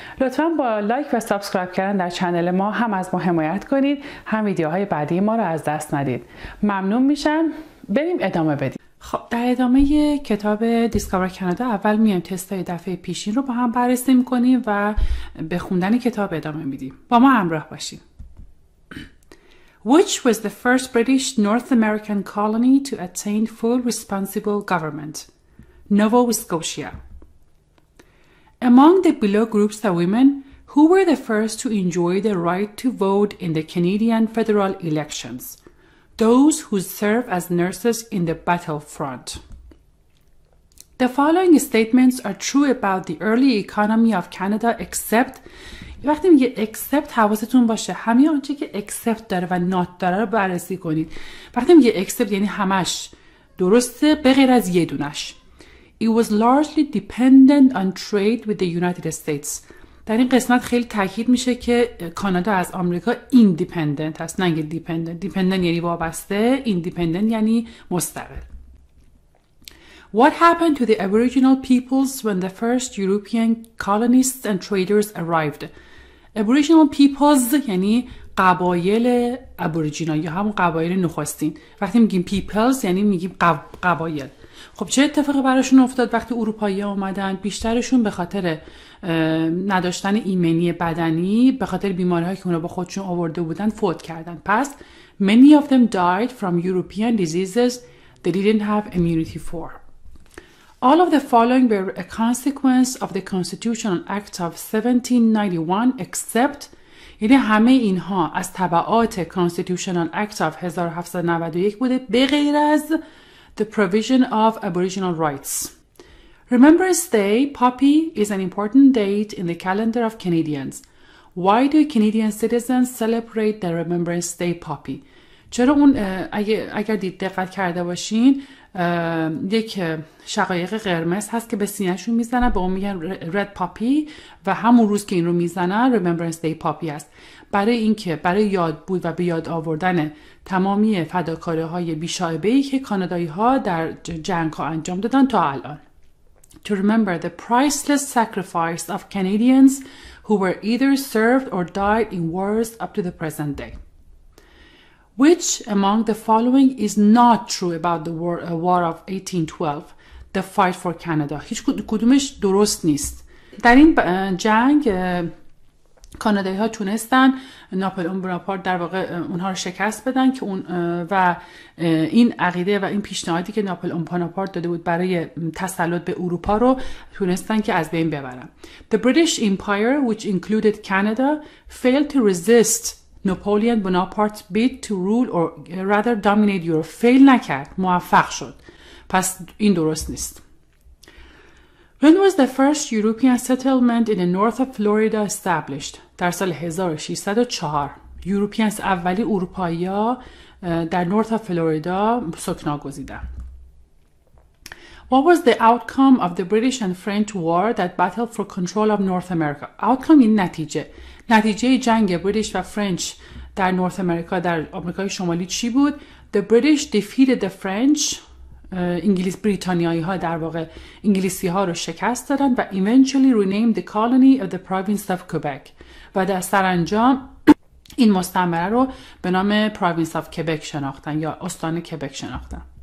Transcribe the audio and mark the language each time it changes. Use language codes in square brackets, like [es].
[fa] لطفا با لایک و سابسکرایب کردن در چنل ما هم از ما حمایت کنید، هم ویدیوهای بعدی ما رو از دست ندید. ممنون میشم. بریم ادامه بدیم. خب در ادامه کتاب دیسکاور کانادا اول میایم تستای دفعه پیشین رو با هم بررسی میکنیم و به خوندن کتاب ادامه میدیم. با ما همراه باشیم. [en] Which was the first British North American colony to attain full responsible government? Nova Scotia. Among the below groups of women, who were the first to enjoy the right to vote in the Canadian federal elections? Those who serve as nurses in the battlefront. The following statements are true about the early economy of Canada except... [fa] وقتی میگه except حواستون باشه همه آنچه که except داره و not داره رو بررسی کنید. وقتی میگه except یعنی همش درسته به غیر از یه دونش. [en] It was largely dependent on trade with the United States. [fa] در این قسمت خیلی تاکید میشه که کانادا از آمریکا ایندیپندنت هست، نه دیپندنت. دیپندنت یعنی وابسته، ایندیپندنت یعنی مستقل. [en] What happened to the Aboriginal peoples when the first European colonists and traders arrived? [fa] Aboriginal peoples یعنی قبایل ابوریجینال یا هم قبایل نخستین. وقتی میگیم peoples یعنی میگیم قبایل. خب چه اتفاقی براشون افتاد وقتی اروپایی اومدن؟ بیشترشون به خاطر نداشتن ایمنی بدنی، به خاطر بیماری هایی که اونا با خودشون آورده بودن فوت کردن. [en] پس many of them died from European diseases they didn't have immunity for. All of the following were a consequence of the Constitutional Act of 1791 except [fa] یعنی همه اینها از تبعات Constitutional Act of 1791 بوده به غیر از [en] the provision of Aboriginal rights. Remembrance Day, Poppy, is an important date in the calendar of Canadians. Why do Canadian citizens celebrate the Remembrance Day, Poppy? [fa] چرا اون اگر دید دقت کرده باشین یک شقایق قرمز هست که به سینه‌شون میزنن، به اون میگن Red Poppy و همون روز که این رو میزنن Remembrance Day, Poppy است. برای اینکه برای یاد بود و به یاد آوردن تمامی فداکاری‌های بی‌شائبه‌ای که کانادایی‌ها در جنگ‌ها انجام دادن تا الان. [en] To remember the priceless sacrifice of Canadians who were either served or died in wars up to the present day. Which among the following is not true about the war of 1812, the fight for Canada? [fa] هیچ کدومش درست نیست. در این جنگ کانادایی‌ها تونستن ناپلئون بناپارت در واقع اونها رو شکست بدن که اون و این عقیده و این پیشنهادی که ناپلئون بناپارت داده بود برای تسلط به اروپا رو تونستن که از بین ببرن. [en] The British Empire, which included Canada, failed to resist Napoleon Bonaparte's bid to rule or rather dominate Europe. [fa] Fail نکرد، موفق شد. پس این درست نیست. [en] When was the first European settlement in the north of Florida established? [fa] در سال 1604 یوروپیانس اولی اروپایی ها در نورث آف فلوریدا سکنا گزیدن. [en] What was the outcome of the British and French war that battled for control of North America? [fa] Outcome یعنی نتیجه. نتیجه جنگ بریتیش و فرنچ در نورث آمریکا در آمریکای شمالی چی بود؟ [en] The British defeated the French. [fa] انگلیس بریتانیایی ها در واقع انگلیسی ها رو شکست دادن و [en] eventually renamed the colony of the province of Quebec [fa] و در سرانجام این مستعمره رو به نام province of Quebec شناختن یا استان Quebec شناختن.